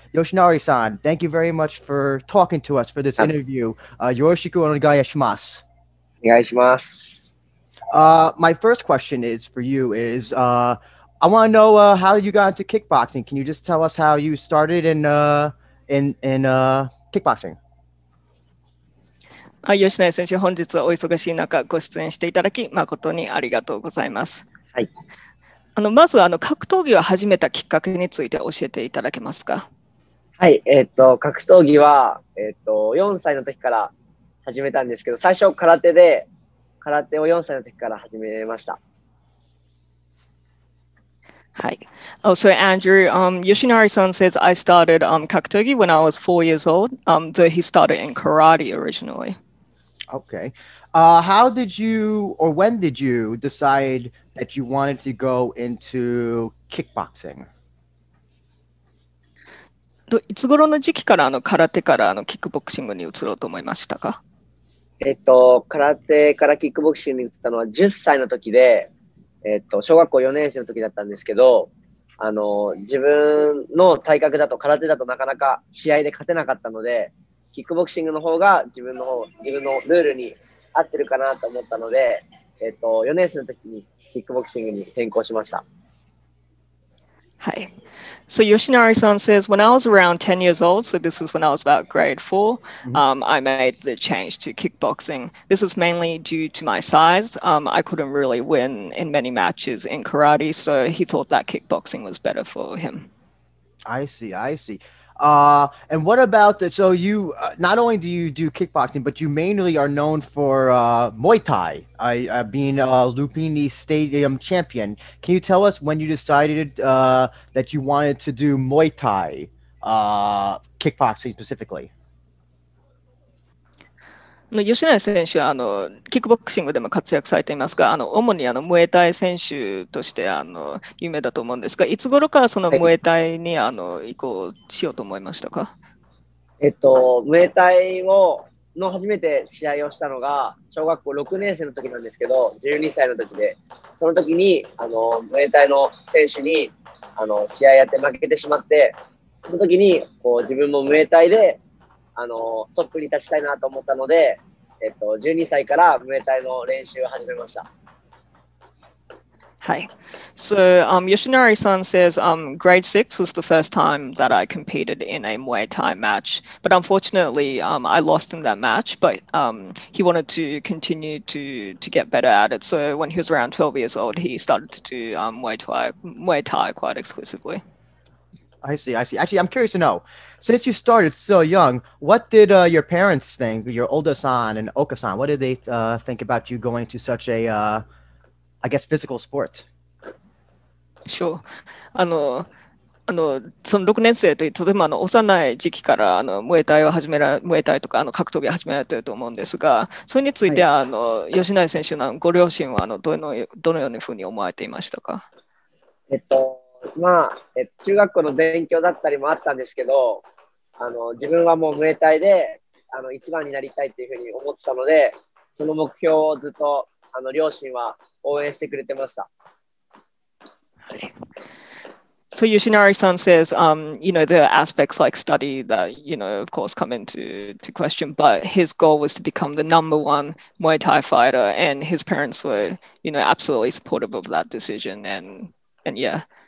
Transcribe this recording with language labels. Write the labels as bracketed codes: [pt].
[en] Yoshinari-san, thank you very much for talking to us for this interview. [ja] Yoroshiku onegaishimasu. [en] My first question is for you is, I want to know, how you got into kickboxing. Can you just tell us how you started in kickboxing? [ja] はい、吉野選手、本日はお忙しい中ご出演していただき誠にありがとうございます。はい。まず格闘技を始めたきっかけについて教えていただけますか？はい、格闘技は、4歳の時から始めたんですけど、最初空手で、空手を4歳の時から始めました。 [en] Hi. Oh, so Andrew, Yoshinari-san says I started Kakutogi when I was 4 years old. So he started in karate originally. Okay. How did you, or when did you decide that you wanted to go into kickboxing? [ja] いつ頃の時期から空手からキックボクシングに移ろうと思いましたか？空手からキックボクシングに移ったのは10歳の時で、小学校4年生の時だったんですけど、自分の体格だと空手だとなかなか試合で勝てなかったので、キックボクシングの方が自分のルールに合ってるかなと思ったので、4年生の時にキックボクシングに転向しました。はい。 [en] So Yoshinari-san says, when I was around 10 years old, so this is when I was about grade 4, I made the change to kickboxing. This is mainly due to my size. I couldn't really win in many matches in karate, so he thought that kickboxing was better for him. I see. And what about, so you, not only do you do kickboxing, but you mainly are known for Muay Thai, being a Lumpini Stadium champion. Can you tell us when you decided that you wanted to do Muay Thai kickboxing specifically? [ja] 吉野選手はキックボクシングでも活躍されていますが、主にムエタイ選手として有名だと思うんですが、いつ頃からそのムエタイに移行しようと思いましたか？ムエタイの初めて試合をしたのが小学校6年生の時なんですけど、12歳の時で、その時にムエタイの選手に試合やって負けてしまって、その時にこう自分もムエタイでトップに立ちたいなと思ったので、12歳からムエタイの練習を始めました。はい。 [en] So, Yoshinari-san says, grade 6 was the first time that I competed in a Muay Thai match, but unfortunately, I lost in that match, but he wanted to continue to get better at it. So when he was around 12 years old, he started to do Muay Thai quite exclusively. I see. Actually, I'm curious to know, since you started so young, what did your parents think, your Oda-san and Oka-san, what did they think about you going to such a, I guess, physical sport? Sure. [ja] その6年生というとても幼い時期からムエタイとか格闘技を始められていると思うんですが、それについて、はい、吉内選手のご両親はどのようにふうに思われていましたか？まあ、中学校の勉強だったりもあったんですけど、自分はもうムエタイで一番になりたいっていうふうに思ってたので、その目標をずっと両親は応援してくれてました。 [en] So Yoshinari-san says, there are aspects like study that, of course, come into question, but his goal was to become the number one Muay Thai fighter, and his parents were, absolutely supportive of that decision, and yeah.